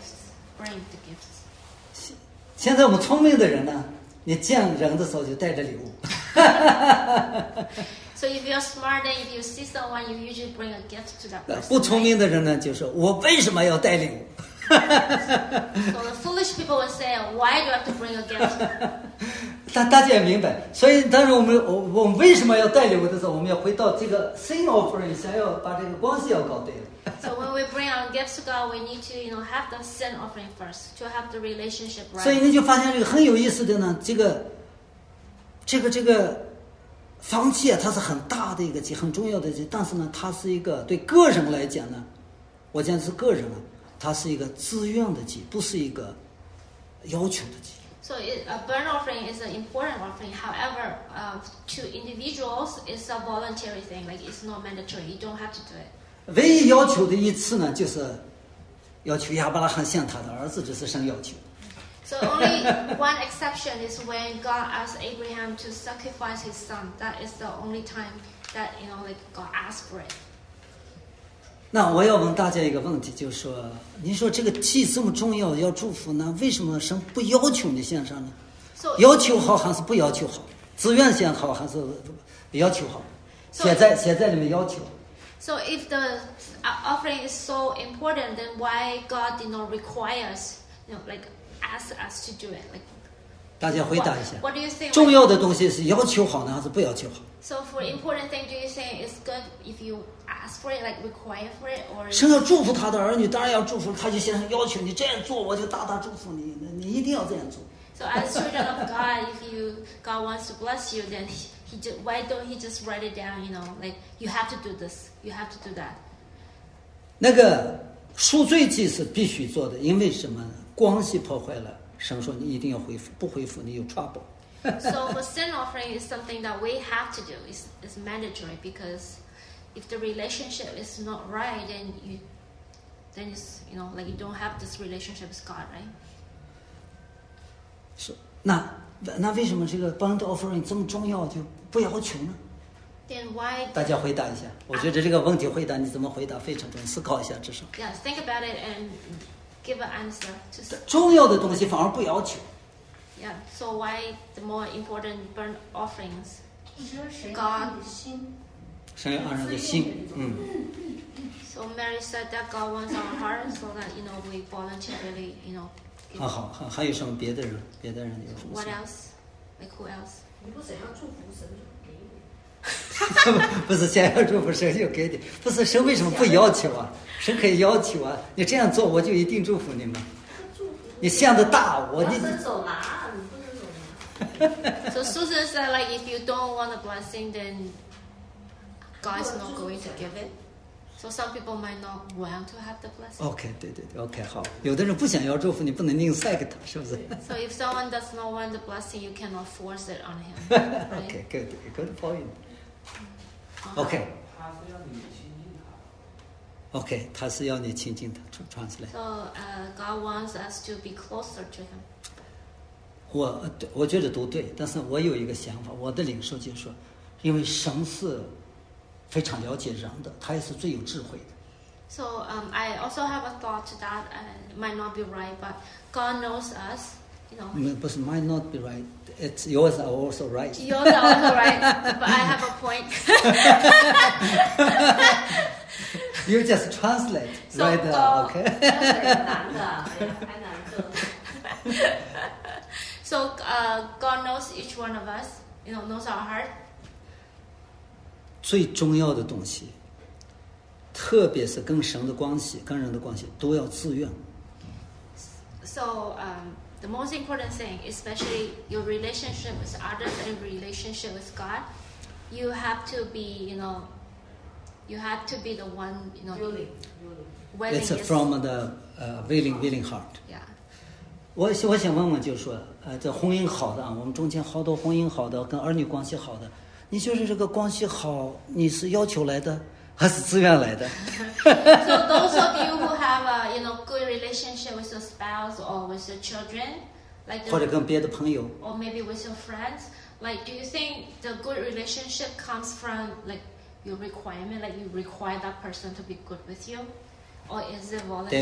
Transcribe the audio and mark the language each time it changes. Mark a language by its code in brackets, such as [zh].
[en] So in the Hebrew, he says, "Bring the gifts, bring the gifts." [zh] 现在我们聪明的人呢，你见人的时候就带着礼物。 [en] So if you're smart, then if you see someone, you usually bring a gift to that person. [zh] 不聪明的人呢，就是我为什么要带礼物？ [en] So the foolish people would say, "Why do I have to bring a gift?" [zh] 大家也明白，所以当时我们为什么要带礼物的时候，我们要回到这个 sin offering， 想要把这个关系要搞对了。 [en] So when we bring our gifts to God, we need to, you know, have the sin offering first to have the relationship right. [zh] 所以你就发现这个很有意思的呢，这个方剂啊，它是很大的一个剂，很重要的剂，但是呢，它是一个对个人来讲呢，我讲的是个人啊，它是一个自愿的剂，不是一个要求的剂。 [en] So a burn offering is an important offering. However, to individuals, it's a voluntary thing. Like it's not mandatory. You don't have to do it. [zh] 唯一要求的一次呢，就是要求亚伯拉罕献他的儿子，这是神要求。 [en] So only one exception is when God asked Abraham to sacrifice his son. That is the only time that, you know, like God asked for it. [zh] 那我要问大家一个问题，就是说，您说这个祭这么重要，要祝福呢，为什么神不要求你献上呢？ [en] So, [zh] 要求好还是不要求好？自愿献好还是要求好？ [en] So, [zh] 写在里面要求。 [en] So if the offering is so important, then why God did not require us, you know, like ask us to do it? Like, [zh] 大家回答一下。 [en] What do you think? [zh] 重要的东西是要求好呢，还是不要求好 [en] ？So for important thing, do you think it's good if you ask for it, like require for it, or? [zh] 神要祝福他的儿女，当然要祝福。他就先生要求你这样做，我就大大祝福你。你一定要这样做。 [en] So as children of God, if you God wants to bless you, then. Why don't he just write it down? You know, like you have to do this, you have to do that. [zh] 那个赎罪祭是必须做的，因为什么？关系破坏了，神说你一定要恢复，不恢复你有 [en] trouble. So the sin offering is something that we have to do. It's mandatory because if the relationship is not right, then it's, you know, like you don't have this relationship with God, right? [zh] So, 那为什么这个 burnt offering 这么重要就不要求呢？ [en] Then why? [zh] 大家回答一下，我觉得这个问题回答你怎么回答非常重要，思考一下至少。 [en] Yeah, think about it and give an answer. Just [zh] 重要的东西反而不要求。 [en] Yeah, so why the more important burnt offerings? God. [zh] 神要按人的心，嗯。 [en] So Mary said that God wants our hearts so that you know we voluntarily, you know. [zh] 很好，还有什么别的人有什么 [en] ？What else? Like who else? [zh] 你不想要祝福神就给你。不是想要祝福神就给你，不是神为什么不要求啊？神可以要求啊，你这样做我就一定祝福你吗？你想的大，你不能走啦，你不能走啦。 [en] So Susan said, like if you don't want a blessing, then God is not going to give it. So some people might not want to have the blessing. [zh] Okay, 对对对 ，OK， 好。有的人不想要祝福，你不能吝啬给他，是不是 [en] ？So if someone does not want the blessing, you cannot force it on him.、Right? Okay, good point. Okay. [zh] 他是要你亲近他。 Okay, 他是要你亲近他。 [en] Translate. So God wants us to be closer to him. [zh] 我觉得都对，但是我有一个想法，我的领受就是说，因为神是。非常了解人的，他也是最有智慧的。 [en] So, I also have a thought that might not be right, but God knows us, you know. No, [zh] 不是 [en] might not be right. It's yours are also right. Yours are also right, but I have a point. You just translate, so, right? So, okay. [zh] 难的，太难了。 [en] So, God knows each one of us, you know, knows our heart. [zh] 最重要的东西，特别是跟神的关系、跟人的关系，都要自愿。 [en] So, the most important thing, especially your relationship with others and relationship with God, you have to be, you know, you have to be the one, you know, willing. It's from the willing heart. Yeah. [zh] 我想问问，就是说，这婚姻好的啊，我们中间好多婚姻好的，跟儿女关系好的。你就是这个关系好，你是要求来的还是自愿来的？ [en] So those of you who have a you know good relationship with your spouse or with your children, like the, [zh] 或者跟别的朋友 [en] ，or maybe with your friends, like do you think the good relationship comes from like your requirement, like you require that person to be good with you, or is it voluntary?